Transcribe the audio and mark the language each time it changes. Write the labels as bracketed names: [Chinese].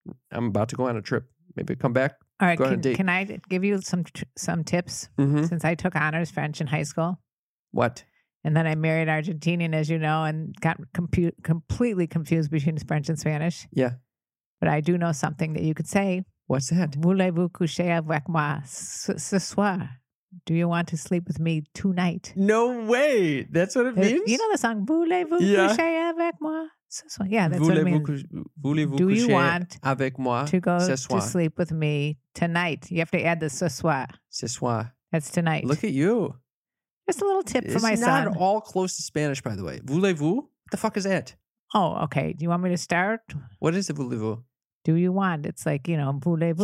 [English] I'm about to go on a trip. Maybe come back. All right. Go on a date. Can I give you some tips? Mm-hmm. Since I took honors French in high school. What? And then I married an Argentinian, as you know, and got completely confused between French and Spanish. Yeah. But I do know something that you could say. What's that? [French] Voulez-vous coucher avec moi ce soir? [English] Do you want to sleep with me tonight? No way. That's what it means? You know the song, [French] voulez-vous coucher avec moi ce soir? [English] Yeah, that's [French] voulez-vous [English] what it means. [French] Voulez-vous coucher avec moi ce soir? [English] To go to sleep with me tonight. You have to add the [French] ce soir. Ce soir. [English] That's tonight. Look at you. Just a little tip for my son. It's not all close to Spanish, by the way. [French] Voulez-vous? [English] What the fuck is that? Oh, okay. Do you want me to start? What is the [French] voulez-vous? [English] Do you want? It's like, you know, [French] voulez-vous.